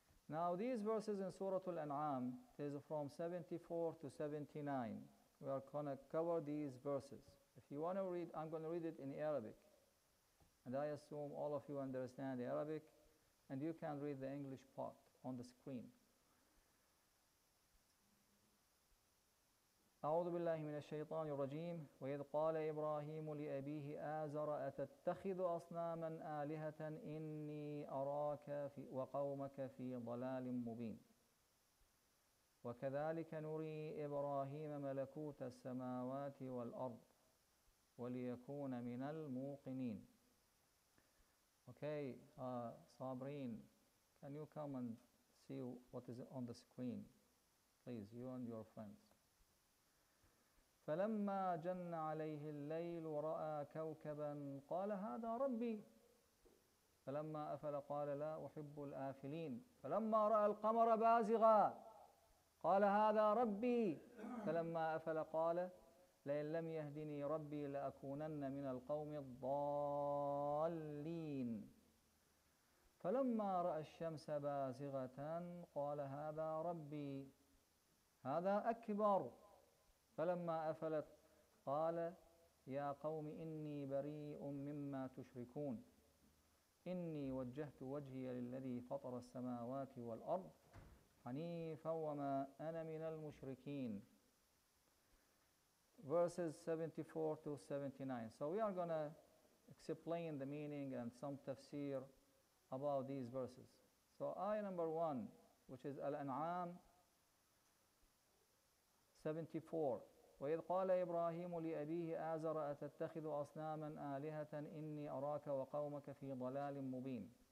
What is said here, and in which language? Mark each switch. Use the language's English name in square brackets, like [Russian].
[English] Now, these verses in Surah Al-An'am is from 74 to 79. We are going to cover these verses. If you want to read, I'm going to read it in Arabic. And I assume all of you understand Arabic, and you can read the English part on the screen. [Arabic] أعوذ بالله من الشيطان الرجيم وإذ قال إبراهيم لأبيه آزر أتتخذ أصناما آلهة إني أراك في وقومك في ضلال مبين وكذلك نري إبراهيم ملكوت السماوات والأرض وليكون من الموقنين. [English] Okay, Sabreen, can you come and see what is on the screen, please, you and your friends. [Arabic] فلما جن عليه الليل ورأى كوكبا قال هذا ربي فلما أفل قال لا أحب الآفلين فلما رأى القمر بازغا قال هذا ربي فلما أفل قال لئن لم يهدني ربي لأكونن من القوم الضالين فلما رأى الشمس بازغة قال هذا ربي هذا أكبر فلما أفلت قال يا قوم إني بريء مما تشركون إني وجهت وجهي للذي فطر السماوات والأرض حنيفا وما أنا من المشركين. [English] Verses 74 to 79. So we are gonna explain the meaning and some tafsir about these verses. So ayah number one, which is Al-An'am 74. [Arabic] وَإِذْ قَالَ إِبْرَاهِيمُ لِأَبِيهِ آزَرَ أَتَتَّخِذُ أَصْنَامًا آلِهَةً إِنِّي أَرَاكَ وَقَوْمَكَ فِي ضَلَالٍ مُبِينٍ.